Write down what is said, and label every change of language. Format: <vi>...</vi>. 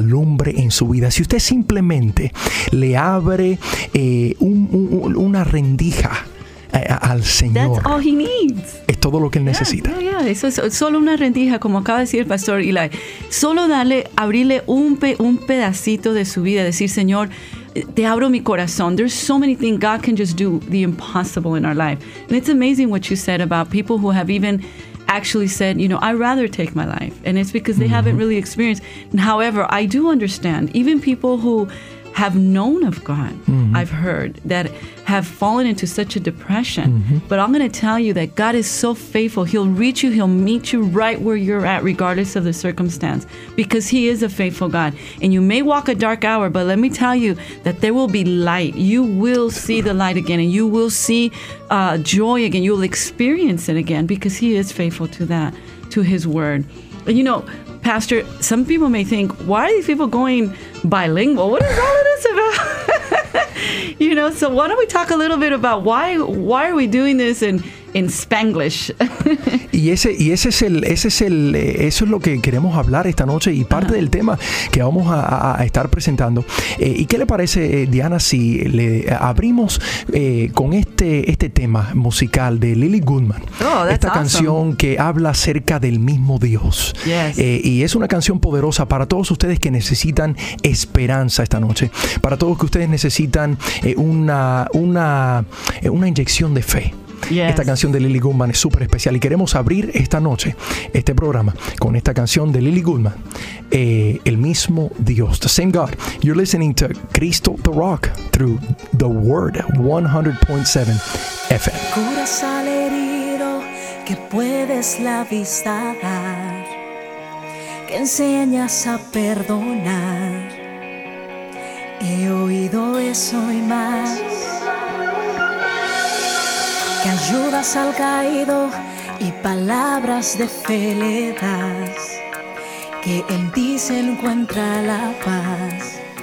<es>alumbre en su vida. Si usted simplemente le abre una rendija al Señor.</es> <en>That's all he needs.</en> <es>Es todo lo que él necesita.</es> <en>Yeah, yeah, yeah.</en> <es>Eso es solo una rendija, como acaba de decir el pastor Eli. Solo darle, abrirle un pedacito de su vida, decir, Señor, te abro mi corazón.</es> <en>There's so many things God can just do, the impossible in our life. And it's amazing what you said about people who have even actually said, you know, I'd rather take my life. And it's because they mm-hmm. haven't really experienced. And however, I do understand, even people who have known of God, mm-hmm. I've heard, that have fallen into such a depression. Mm-hmm. But I'm going to tell you that God is so faithful. He'll reach you. He'll meet you right where you're at, regardless of the circumstance, because He is a faithful God. And you may walk a dark hour, but let me tell you that there will be light. You will see the light again, and you will see joy again. You'll experience it again, because He is faithful to that, to His word. And you know, Pastor, some people may think, why are these people going bilingual? What is all of this about? You know, so why don't we talk a little bit about why are we doing this in Spanglish?</en> <es>Eso es lo que queremos hablar esta noche, y parte uh-huh. del tema que vamos a estar presentando. ¿Y qué le parece, Diana, si le abrimos con este tema musical de Lily Goodman?</es> <en>Oh, that's</en> <es>esta</es> <en>awesome.</en> <es>Canción que habla acerca del mismo Dios.</es> <en>Yes.</en> <es>Y es una canción poderosa para todos ustedes que necesitan esperanza esta noche. Para todos que ustedes necesitan una inyección de fe. Yes. Esta canción de Lily Goodman es súper especial, y queremos abrir esta noche este programa con esta canción de Lily Goodman, el mismo Dios,</es> <en>the same God. You're listening to Cristo the Rock through the Word 100.7 FM.</en> <es>Curas al herido, que puedes la vista dar, que enseñas a perdonar. He oído eso y más. Que ayudas al caído y palabras de fe le das, que en ti se encuentra la paz.</es>